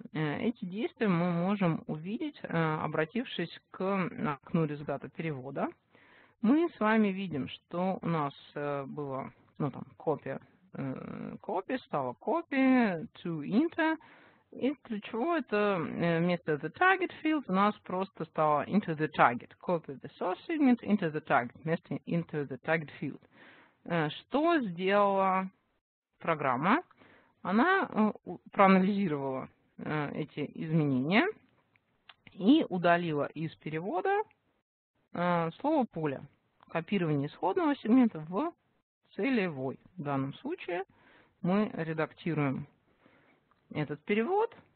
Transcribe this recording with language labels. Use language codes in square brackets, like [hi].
[ru] Эти действия мы можем увидеть, обратившись к окну результата перевода. Мы с вами видим, что у нас была, ну, там, копия стала копия, [en] to enter. [ru] И ключевое это вместо [en] the target field [ru] у нас просто стало [en] into the target. Copy the source segment into the target, [ru] вместо [en] into the target field. [ru] Что сделала программа? Она проанализировала эти изменения и удалила из перевода слово поле. Копирование исходного сегмента в целевой. В данном случае мы редактируем этот перевод.